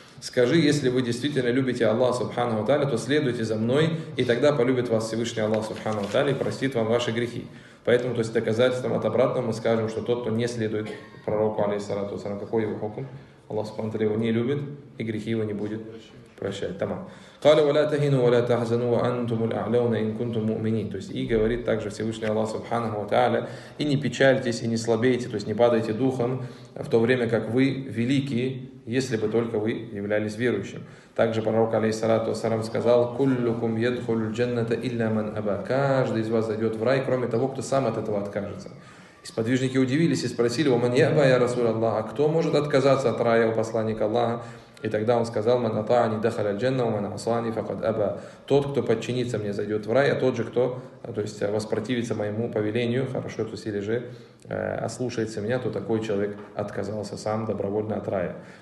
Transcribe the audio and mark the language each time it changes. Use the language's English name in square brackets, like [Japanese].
[Russian] Скажи, если вы действительно любите Аллаха, субханаху ва тааля, то следуйте за мной, и тогда полюбит вас Всевышний Аллах, субханаху ва тааля, и простит вам ваши грехи. Поэтому, то есть, доказательством от обратного мы скажем, что тот, кто не следует пророку, алейхиссалату ассалам, какой его хукм? Аллах, субханаху ва тааля, его не любит, и грехи его не будет прощать. Тамам. [Arabic] قالوا ولا تهنوا ولا تحزنوا وأنتم الأعلون إن كنتم مؤمنين. [Russian] То есть и говорит также Всевышний Аллах Субханаху ва Тааля: и не печальтесь, и не слабейте, то есть не падайте духом, в то время как вы великие, если бы только вы являлись верующим. Также пророк, алейхиссалату ассалам, сказал: [Arabic] كلكم يدخل الجنة إلا من أبى. [Russian] Каждый из вас зайдет в рай, кроме того, кто сам от этого откажется. Сподвижники удивились и спросили: [Arabic] ومن يأبى يا رسول الله, [Russian] а кто может отказаться от рая у посланника Аллаха? И тогда он сказал: [Arabic] «Ман атаани дахаля аль-джанна, ва ман асаани факад аба». [Russian] Тот, кто подчинится мне, зайдет в рай, а тот же, кто, то есть, воспротивится моему повелению, хорошо, то есть, или же ослушается меня, то такой человек отказался сам добровольно от рая.